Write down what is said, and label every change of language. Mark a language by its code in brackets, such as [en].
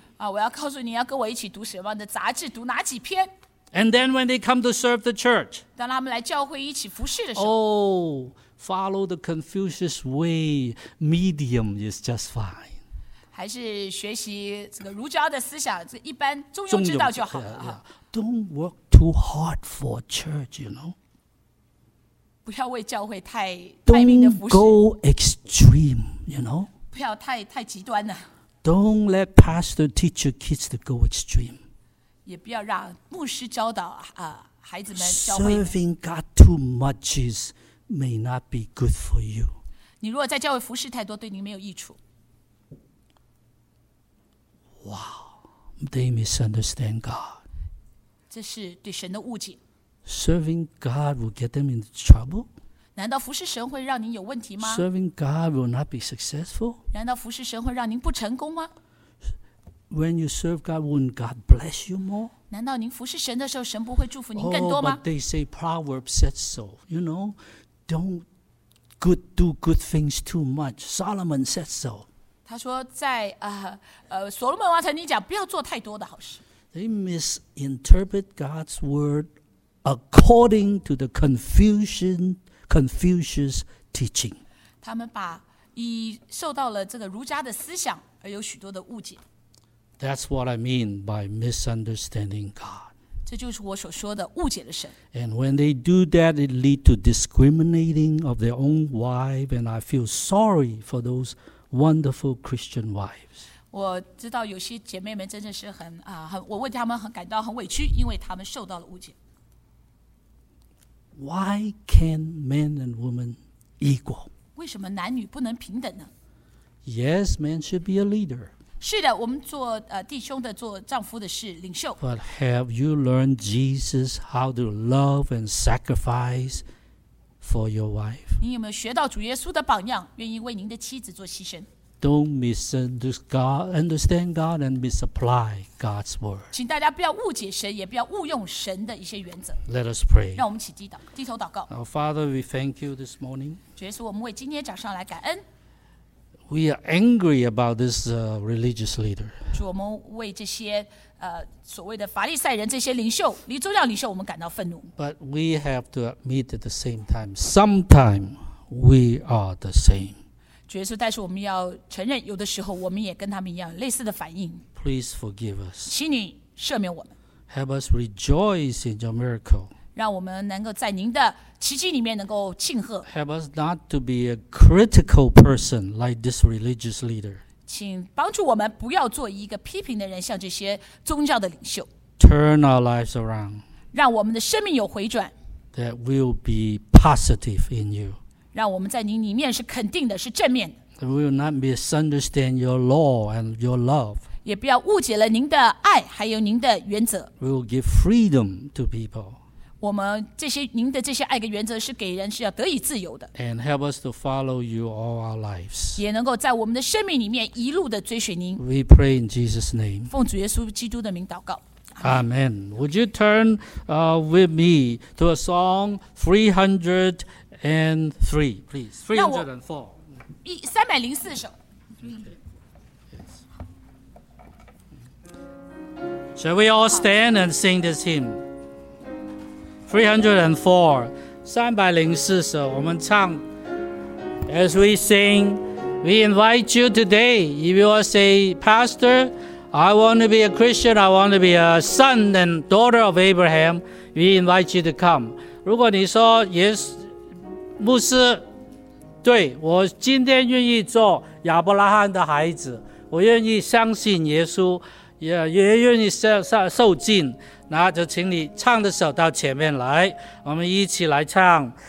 [zh] 啊，我要告诉你要跟我一起读什么的杂志，读哪几篇。 [en] And then when they come to serve the church, [zh] 当他们来教会一起服侍的时候 [en] follow the Confucius way, medium is just fine. [zh] 还是学习这个儒家的思想，这一般中庸之道就好了。 [en] Don't work too hard for church, you know. [zh] 不要为教会太命的服侍。 [en] Don't go extreme, you know. [zh] 不要太极端了。 [en] Don't let pastor teach your kids to go extreme. [zh] 也不要让牧师教导孩子们教会。 [en] Serving God too much is may not be good for you. [zh] 你如果在教会服侍太多，对您没有益处。 [en] Wow, they misunderstand God. [zh] 这是对神的误解。 [en] Serving God will get them into trouble. [zh] 难道服侍神会让您有问题吗 [en] ？Serving God will not be successful. [zh] 难道服侍神会让您不成功吗？ [en] When you serve God, wouldn't God bless you more? [zh] 难道您服侍神的时候，神不会祝福您更多吗 [en] ？Oh, but they say Proverbs says so. You know, don't good do good things too much. Solomon says so. [zh] 他说在所罗门王曾经讲，不要做太多的好事。 [en] They misinterpret God's word according to the Confucius teaching. [zh] 他们把已受到了这个儒家的思想而有许多的误解。 [en] That's what I mean by misunderstanding God. [zh] 这就是我所说的误解了神。 [en] And when they do that, it leads to discriminating of their own wives, and I feel sorry for those wonderful Christian wives. [zh] 我知道有些姐妹们真的是很我为她们很感到很委屈，因为她们受到了误解。 [en] Why can men and women equal? [zh] 为什么男女不能平等呢？ [en] Yes, man should be a leader. [zh] 是的，我们做弟兄的，做丈夫的是领袖。 [en] But have you learned Jesus how to love and sacrifice for your wife? [zh] 你有没有学到主耶稣的榜样，愿意为您的妻子做牺牲 [en] ？Don't misunderstand God and misapply God's word. [zh] 请大家不要误解神，也不要误用神的一些原则。 [en] Let us pray. [zh] 让我们起低祷，低头祷告。 [en] Our Father, we thank you this morning. [zh] 主耶稣，我们为今天早上来感恩。 [en] We are angry about this religious leader. [zh] 主，我们为这些所谓的法利赛人这些领袖，离宗教领袖，我们感到愤怒。 [en] But we have to admit at the same time, sometimes we are the same. [zh] 主耶稣，但是我们要承认，有的时候我们也跟他们一样，类似的反应。 [en] Please forgive us. [zh] 请你赦免我们。 [en] Help us rejoice in your miracle. [zh] 让我们能够在您的奇迹里面能够庆贺。 [en] Help us not to be a critical person like this religious leader. [zh] 请帮助我们不要做一个批评的人，像这些宗教的领袖。 [en] Turn our lives around. [zh] 让我们的生命有回转。 [en] That will be positive in you. [zh] 让我们在您里面是肯定的，是正面的。 [en] We will not misunderstand your law and your love. [zh] 也不要误解了您的爱，还有您的原则。 [en] We will give freedom to people. [zh] 我们这些您的这些爱的原则是给人是要得以自由的。 [en] And help us to follow you all our lives. [zh] 也能够在我们的生命里面一路的追随您。 [en] We pray in Jesus' name. [zh] 奉主耶稣基督的名祷告。 [en] Amen. Would you turn with me to a song 303, please? 304. [zh] 304首。 [en] Shall we all stand and sing this hymn? [zh] 304, 304首，我们唱。 [en] As we sing, we invite you today. If you say, Pastor, I want to be a Christian, I want to be a son and daughter of Abraham, we invite you to come. [zh] 如果你说 Yes, 牧师，对，我今天愿意做亚伯拉罕的孩子，我愿意相信耶稣，也愿意受浸。那就请你唱的时候到前面来，我们一起来唱。